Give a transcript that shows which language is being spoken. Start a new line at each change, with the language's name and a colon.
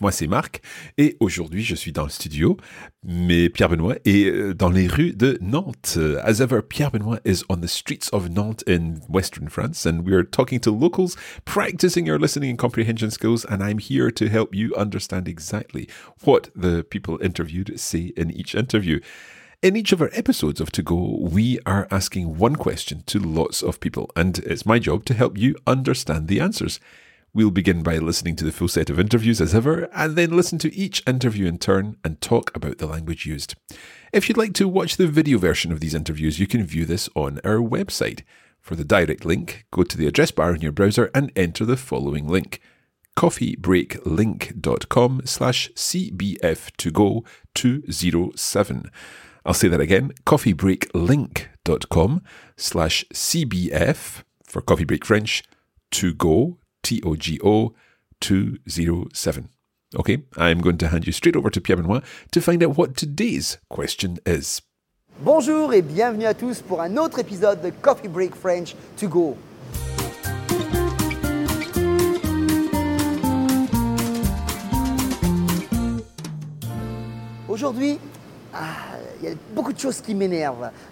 French: Moi, c'est Marc et aujourd'hui, je suis dans le studio, mais Pierre-Benoît est dans les rues de Nantes.
English: As ever, Pierre-Benoît is on the streets of Nantes in Western France and we are talking to locals, practicing your listening and comprehension skills, and I'm here to help you understand exactly what the people interviewed say in each interview. In each of our episodes of To Go, we are asking one question to lots of people and it's my job to help you understand the answers. We'll begin by listening to the full set of interviews as ever, and then listen to each interview in turn and talk about the language used. If you'd like to watch the video version of these interviews, you can view this on our website. For the direct link, go to the address bar in your browser and enter the following link, coffeebreaklink.com/CBF2Go207. I'll say that again, coffeebreaklink.com/CBF for Coffee Break French, To Go, T-O-G-O 207. Okay, I'm going to hand you straight over to Pierre-Benoît to find out what today's question is.
French: Bonjour et bienvenue à tous pour un autre épisode de Coffee Break French To Go. Aujourd'hui, il y a beaucoup de choses qui m'énervent.